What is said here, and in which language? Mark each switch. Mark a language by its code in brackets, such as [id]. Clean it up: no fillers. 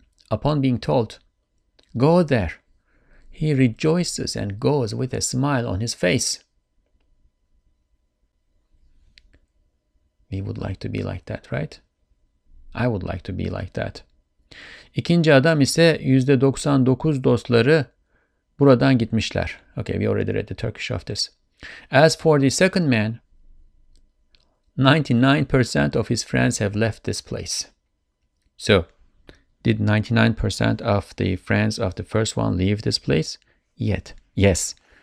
[en] Upon being told, go there, he rejoices and goes with a smile on his face. We would like to be like that, right? I would like to be like that. [tr] İkinci adam ise %99 dostları buradan gitmişler. [en] Okay, we already read the Turkish of this. As for the second man, 99% of his friends have left this place. So, did 99% of the friends of the first one leave this place? Yes.